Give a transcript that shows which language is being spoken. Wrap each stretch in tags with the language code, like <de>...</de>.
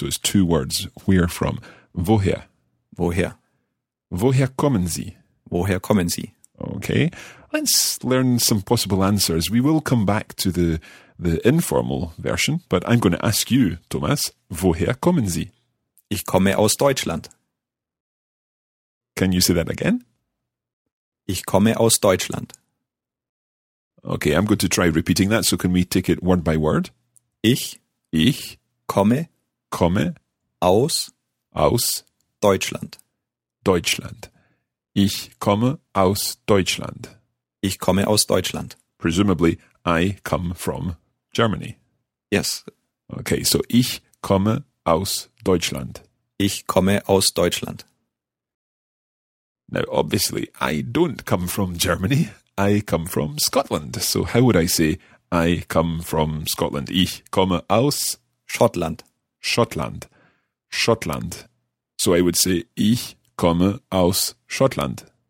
<en>So it's two words, where from.</en> <de>Woher? Woher? Woher kommen Sie? Woher kommen Sie?</de> <en>Okay, let's learn some possible answers. We will come back to the informal version, but I'm going to ask you, Thomas,</en> <de>woher kommen Sie? Ich komme aus Deutschland.</de> <en>Can you say that again?</en> <de>Ich komme aus Deutschland.</de> <en>Okay, I'm going to try repeating that, so can we take it word by word?</en> <de>Ich komme aus Deutschland. Deutschland. Ich komme aus Deutschland. Ich komme aus Deutschland.</de> <en>Presumably, I come from Germany. Yes. Okay, so</en> <de>ich komme aus Deutschland. Ich komme aus Deutschland.</de> <en>Now, obviously, I don't come from Germany. I come from Scotland. So how would I say I come from Scotland?</en> <de>Ich komme aus Schottland. Schottland. Schottland.</de> <en>So I would say</en> <de>ich komme aus Schottland.</de>